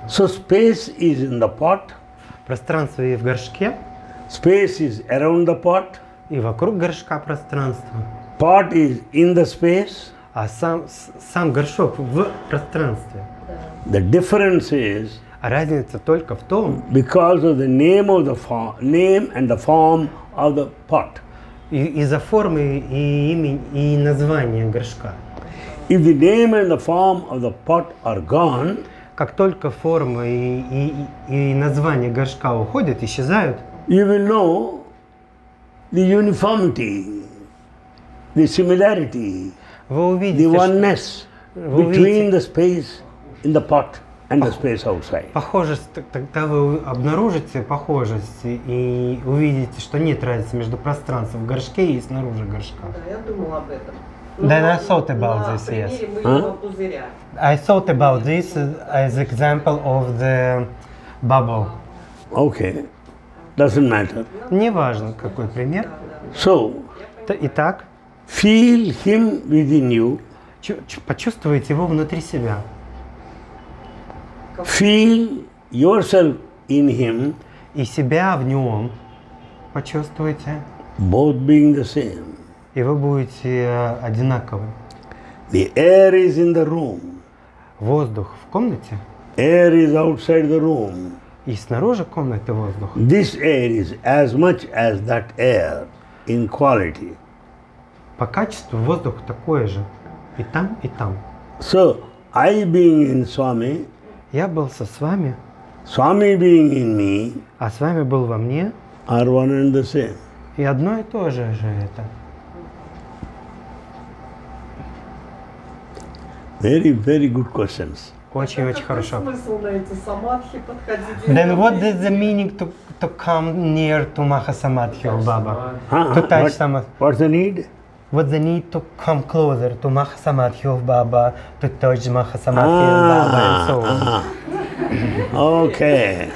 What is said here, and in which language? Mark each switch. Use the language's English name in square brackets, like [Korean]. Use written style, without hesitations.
[English] So space is in the pot. [Russian] Пространство и в горшке. [English] Space is around the pot. [Russian] И вокруг горшка пространство. [English] Pot is in the space. [Russian] А сам горшок в пространстве. [English] The difference is. [Russian] Разница только в том. [English] Because of the name of the form, name and the form of the pot. [Russian] Из-за формы и имени и названия горшка. [English] If the name and the form of the pot are gone, [Russian] как только форма и название горшка уходят, исчезают, [English] you will know the uniformity, the similarity, the oneness between the space in the pot and the space outside. [Russian] Похожесть, тогда вы обнаружите похожесть и увидите, что нет разницы между пространством в горшке и снаружи горшка. Да, я думала об этом. [English] Then I thought about this, yes. I thought about this as example of the bubble. Okay. Doesn't matter. [Russian] Не важно, какой пример. [English] So, [Russian] итак, [English] feel him within you. [Russian] Почувствуйте его внутри себя. [English] Feel yourself in him, [Russian] и себя в нем почувствуете, [English] both being the same, [Russian] и вы будете одинаковы. [English] The air is in the room, [Russian] воздух в комнате, [English] air is outside the room, [Russian] и снаружи комнаты воздух. [English] This air is as much as that air in quality. [Russian] По качеству воздух такой же и там, и там. [English] So, I being in Swami, [Russian] я был со Свами, [English] Swami being in me, [Russian] а Свами был во мне, [English] are one and the same. [Russian] И одно и то же же это. [English] Very, very good questions. [Russian] Очень-очень хорошо. Какой смысл на эти самадхи подходить? [English] Then what is the meaning to come near to Mahasamadhi, Baba? To touch Samadhi. What's the need? What's the need to come closer to Mahasamadhi of Baba, to touch Mahasamadhi of Baba, and so on? Okay.